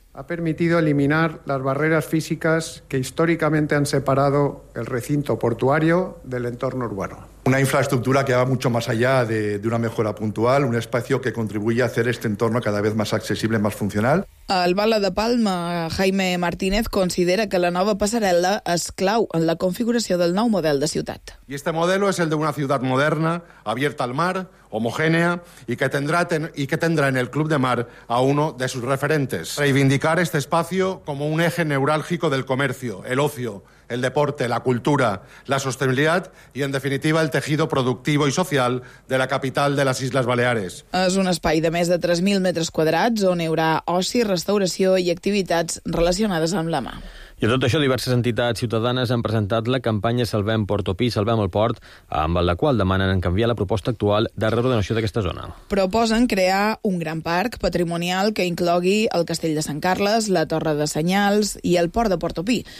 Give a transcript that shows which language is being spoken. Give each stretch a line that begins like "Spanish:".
Spanish: Ha permitido eliminar las barreras físicas que históricamente han separado el recinto portuario del entorno urbano. Una infraestructura que va mucho más allá de una mejora puntual, un espacio que contribuye a hacer este entorno cada vez más accesible, más funcional.
Catalan: Al Bala de Palma, Jaime Martínez considera que la nova passarel·la és clau en la configuració del nou model de ciutat.
Spanish: Y este modelo es el de una ciudad moderna, abierta al mar, homogénea, y que tendrá en el Club de Mar a uno de sus referentes. Reivindicar este espacio como un eje neurálgico del comercio, el ocio, el deporte, la cultura, la sostenibilidad y, en definitiva, el tejido productivo y social de la capital de las Islas Baleares.
Catalan: És un espai de més de 3.000 metres quadrats on hi haurà oci, restauració i activitats relacionades amb la mà. I tot això, diverses entitats ciutadanes han presentat la campanya Salvem Porto Pi, Salvem el Port, amb la qual demanen canviar la proposta actual de reordenació d'aquesta zona. Proposen crear un gran parc patrimonial que inclogui el Castell de Sant Carles, la Torre de Senyals i el Port de Porto Pi.